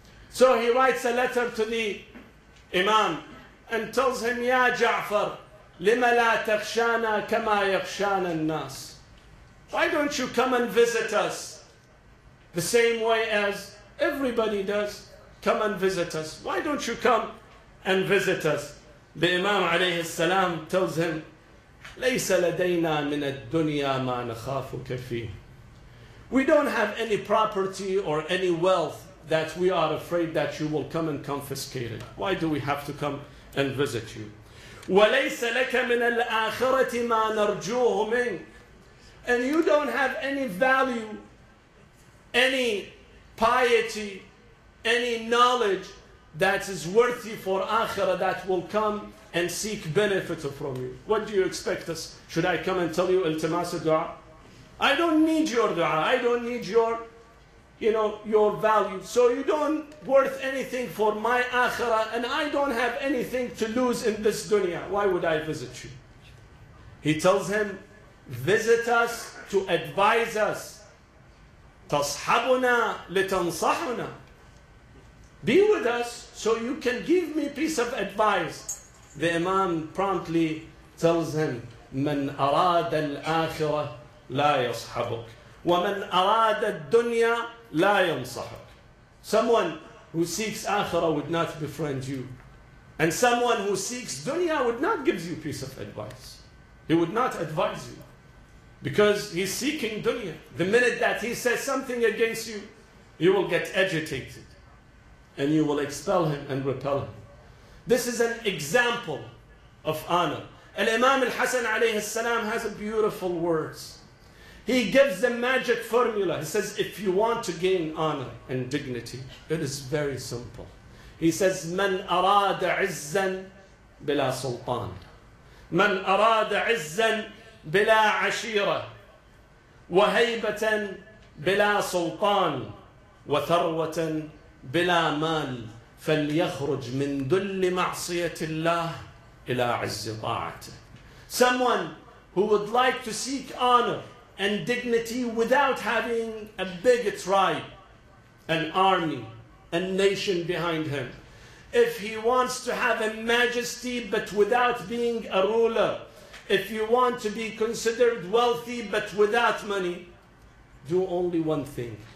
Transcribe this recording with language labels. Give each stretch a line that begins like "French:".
English: So he writes a letter to the Imam and tells him, Ya Ja'far,
Arabic: لِمَ لَا تَخْشَانَا كَمَا يَخْشَانَ النَّاسِ.
English: Why don't you come and visit us the same way as everybody does? Come and visit us. Why don't you come and visit us? The Imam alayhi salam tells him,
Arabic: لَيْسَ لَدَيْنَا مِنَ الدُّنْيَا مَا نَخَافُكَ فِيهِ.
English: We don't have any property or any wealth that we are afraid that you will come and confiscate it. Why do we have to come and visit you?
Arabic: وَلَيْسَ لَكَ مِنَ الْآخِرَةِ مَا نَرْجُوهُ مِنْ.
English: And you don't have any value, any piety, any knowledge that is worthy for Akhirah that will come and seek benefit from you. What do you expect us? Should I come and tell you iltimas dua? I don't need your dua. I don't need your, you know, your value. So you don't worth anything for my Akhirah, and I don't have anything to lose in this dunya. Why would I visit you? He tells him, visit us to advise us.
Arabic: تَصْحَبُنَا لِتَنْصَحُنَا.
English: Be with us so you can give me piece of advice. The Imam promptly tells him,
Arabic: مَنْ أَرَادَ الْآخِرَةِ لَا يَصْحَبُكْ وَمَنْ أَرَادَ الدُّنْيَا لَا يَنْصَحُكْ.
English: Someone who seeks Akhirah would not befriend you. And someone who seeks dunya would not give you piece of advice. He would not advise you. Because he's seeking dunya. The minute that he says something against you, you will get agitated. And you will expel him and repel him. This is an example of honor. Al-Imam al-Hasan alayhi salam has a beautiful words. He gives the magic formula. He says, if you want to gain honor and dignity, it is very simple. He says,
Arabic: من أراد عزا بلا سلطان. من أراد عزا بلا عشيرة وهيبة بلا سلطان وثروة بلا مال فليخرج من دل معصية الله إلى عز طاعته.
English: Someone who would like to seek honor and dignity without having a big tribe, an army, a nation behind him. If he wants to have a majesty but without being a ruler, if you want to be considered wealthy but without money, do only one thing.